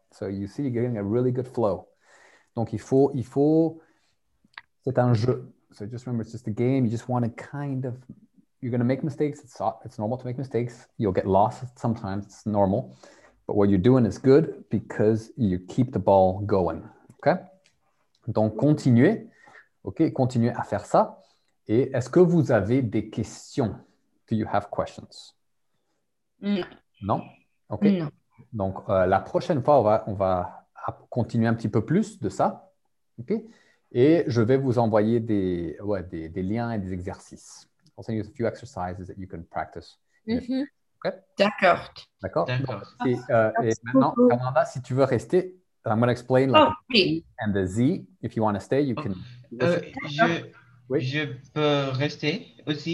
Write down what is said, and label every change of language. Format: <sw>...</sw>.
<en>So, you see, you're getting a really good flow.</en> <fr>Donc, il faut... C'est un jeu.</fr> <en>So just remember, it's just a game. You just want to kind of, you're going to make mistakes. It's normal to make mistakes. You'll get lost sometimes. It's normal. But what you're doing is good because you keep the ball going.</en> <fr>Okay? Donc, continuez. Okay, continuez à faire ça. Et est-ce que vous avez des questions?</fr> <en>Do you have questions?</en> <fr>Non. Non? Okay. Non. Donc, la prochaine fois, on va continuer un petit peu plus de ça. Okay? Et je vais vous envoyer des liens et des exercices.</fr> <en>I'll send you a few exercises that you can practice. Mm-hmm. Okay?</en> <fr>D'accord. D'accord. Donc, et maintenant, Fernanda, si tu veux rester,</fr> <en>I'm going to explain like the P and the Z. If you want to stay, you can.</en> <fr>Je peux rester aussi.</fr>